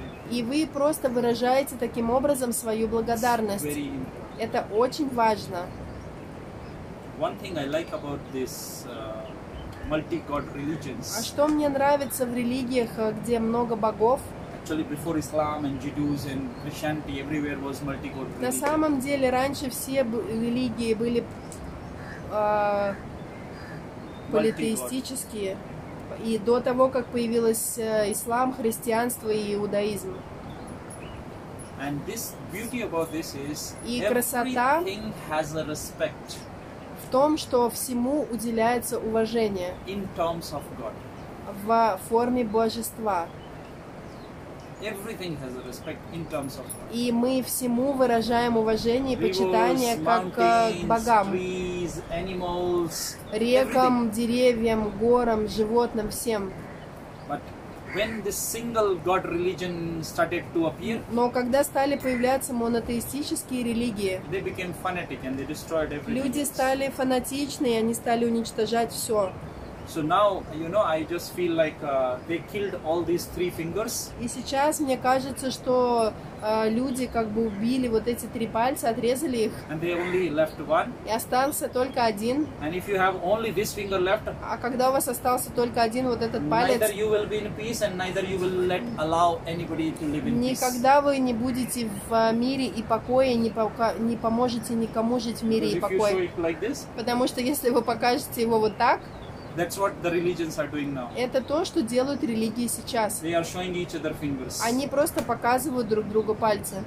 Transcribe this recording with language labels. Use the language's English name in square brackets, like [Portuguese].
[Russian] И вы просто выражаете таким образом свою благодарность. Это очень важно. [English] One thing I like about this, multi-god religions. [Russian] А что мне нравится в религиях, где много богов? [English] Actually, before Islam and Judaism and Christianity, everywhere was multi-god religion. [Russian] На самом деле, раньше все религии были политеистические, и до того, как появилось ислам, христианство и иудаизм. [English] And this beauty about this is [Russian] и красота [English] everything has a respect. [Russian] В том, что всему уделяется уважение. [English] In terms of God. [Russian] В форме божества. [English] Everything has a respect in terms of God. [Russian] И мы всему выражаем уважение и почитание как к богам. [English] Rivers, mountains, trees, animals, [Russian] рекам, [English] everything. [Russian] Деревьям, горам, животным, всем. [English] But when this single God religion started to appear, [Russian] но когда стали появляться монотеистические религии, [English] they became fanatic and they destroyed everything. [Russian] Люди стали фанатичны, и они стали уничтожать все. [English] So now, you know, I just feel like they killed all these three fingers. [Russian] И сейчас мне кажется, что люди как бы убили вот эти три пальца, отрезали их. [English] And they only left one. [Russian] И остался только один. [English] And if you have only this finger left, [Russian] а когда у вас остался только один вот этот палец, [English] neither you will be in peace and neither you will let allow anybody to live in peace. [Russian] Никогда вы не будете в мире и покое, не поможете никому жить в мире и покое. [English] Like this, [Russian] потому что если вы покажете его вот так, [English] that's what the religions are doing now. [Russian] Это то, что делают религии сейчас. [English] They are showing each other fingers. [Russian] Они просто показывают друг другу пальцы.